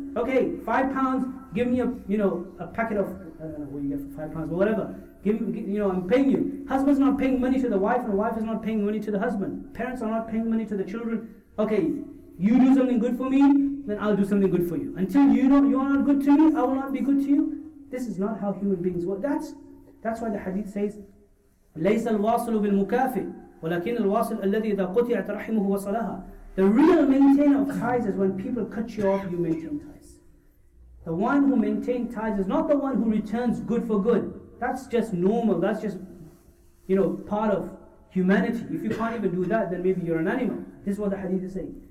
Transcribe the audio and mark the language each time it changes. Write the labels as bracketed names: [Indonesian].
[English] Okay, £5, give me a, you know, a packet of, I don't know what you get for £5, but whatever. You know, I'm paying you. Husband's not paying money to the wife, and the wife is not paying money to the husband. Parents are not paying money to the children. Okay, you do something good for me, then I'll do something good for you. Until you know you are not good to me, I will not be good to you. This is not how human beings work. That's why the hadith says, [Arabic] لَيْسَ الْوَاصِلُ بِالْمُكَافِ وَلَكِنَّ الْوَاصِلُ الَّذِي إِذَا قُطِعَتْ رَحِمُهُ وَصَلَهَا. [English] The real maintainer of ties is when people cut you off, you maintain ties. The one who maintains ties is not the one who returns good for good. That's just normal, that's just, you know, part of humanity. If you can't even do that, then maybe you're an animal. This is what the hadith is saying.